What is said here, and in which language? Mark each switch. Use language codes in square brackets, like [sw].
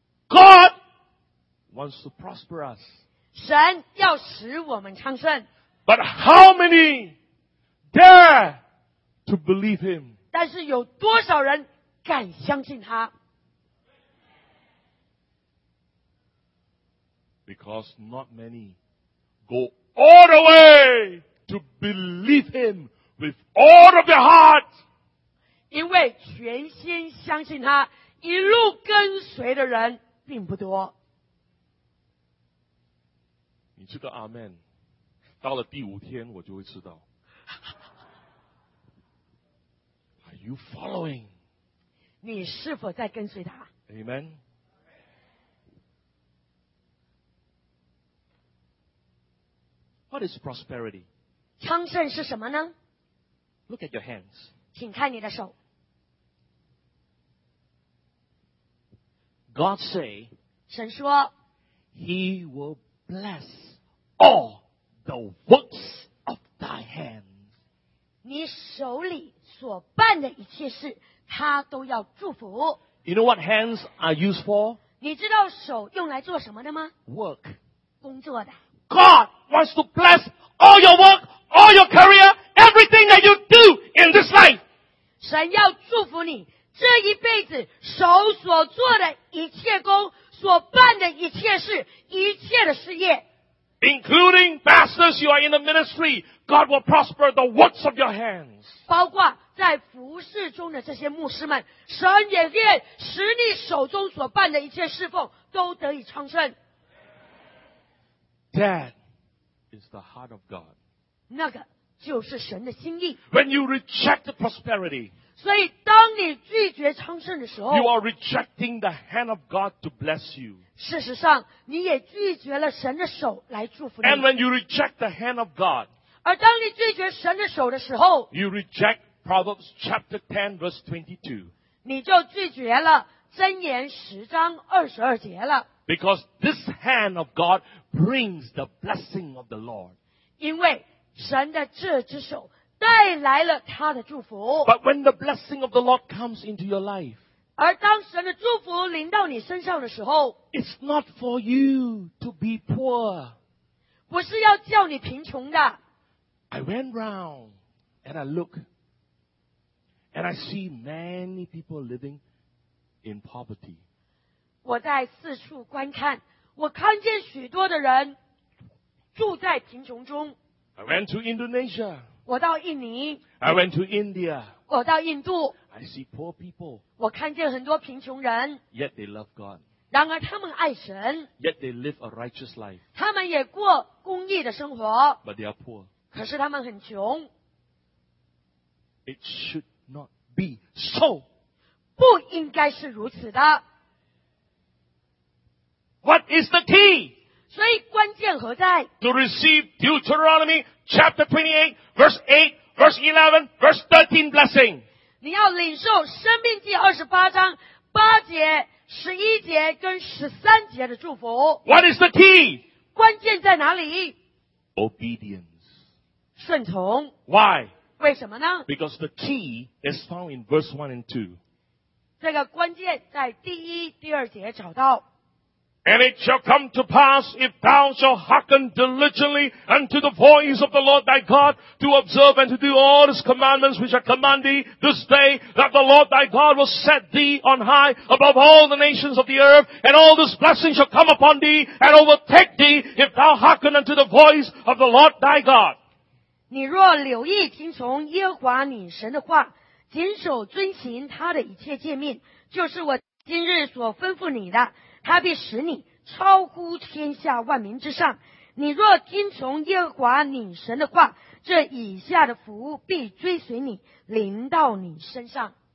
[en] God wants to prosper us. [zh] 神要使我们昌盛。 [en] But how many dare to believe him? [zh] 但是有多少人敢相信他？ [en] Because not many go all the way to believe him with all of their heart. [zh] 因为全心相信他，一路跟随的人并不多。你这个阿们，到了第五天我就会知道。 [en] Are you following? [zh] 你是否在跟随他？ [en] Amen. What is prosperity? [zh] 昌盛是什么呢？ [en] Look at your hands. [zh] 请看你的手。 [en] God say, [zh] 神说 [en] He will bless all the works of thy hands. [zh] 你手里所办的一切事，他都要祝福。 [en] You know what hands are used for? [zh] 你知道手用来做什么的吗？ [en] Work. [zh] 工作的。 [en] God wants to bless all your work, all your career, everything that you do in this life. [zh] 神要祝福你这一辈子手所做的一切工，所办的一切事，一切的事业。 [en] Including pastors, you are in the ministry. God will prosper the works of your hands. [zh] 包括在服事中的这些牧师们，神也愿使你手中所办的一切侍奉都得以昌盛。 [en] That is the heart of God. [zh] 那个就是神的心意。 [en] When you reject the prosperity, [zh] 所以当你拒绝昌盛的时候， [en] You are rejecting the hand of God to bless you. [zh] 事实上你也拒绝了神的手来祝福你。 [en] And when you reject the hand of God, [zh] 而当你拒绝神的手的时候， [en] You reject Proverbs chapter 10 verse 22. [zh] 你就拒绝了箴言十章二十二节了。 [en] Because this hand of God brings the blessing of the Lord. [zh] 因为神的这只手带来了他的祝福。 [en] But when the blessing of the Lord comes into your life, [zh] 而当神的祝福临到你身上的时候， [en] It's not for you to be poor. [zh] 不是要叫你贫穷的。 [en] I went round and I look and I see many people living in poverty. [zh] 我在四处观看，我看见许多的人住在贫穷中。 [en] I went to Indonesia. [zh] 我到印尼。 [en] I went to India. [zh] 我到印度。 [en] I see poor people. [zh] 我看见很多贫穷人。 [en] Yet they love God. [zh] 然而他们爱神。 [en] Yet they live a righteous life. [zh] 他们也过公义的生活。 [en] But they are poor. [zh] 可是他们很穷。 [en] It should not be so. [zh] 不应该是如此的。 [en] What is the key? [zh] 所以关键何在？ [en] To receive Deuteronomy. Chapter 28, verse 8, verse 11, verse 13 blessing. [zh] 你要领受生命记二十八章八节、十一节跟十三节的祝福。 [en] What is the key? [zh] 关键在哪里？ [en] Obedience. [zh] 顺从。 [en] Why? [zh] 为什么呢？ [en] Because the key is found in verse 1 and 2. [zh] 这个关键在第一、第二节找到。 [en] And it shall come to pass, if thou shalt hearken diligently unto the voice of the Lord thy God, to observe and to do all his commandments which I command thee this day, that the Lord thy God will set thee on high above all the nations of the earth, and all this blessing shall come upon thee and overtake thee, if thou hearken unto the voice of the Lord thy God. [zh] 你若留意听从耶和华你神的话，谨守遵行他的一切诫命，就是我今日所吩咐你的，他必使你超乎天下万民之上。你若听从耶和华你神的话，这以下的福必追随你，临到你身上。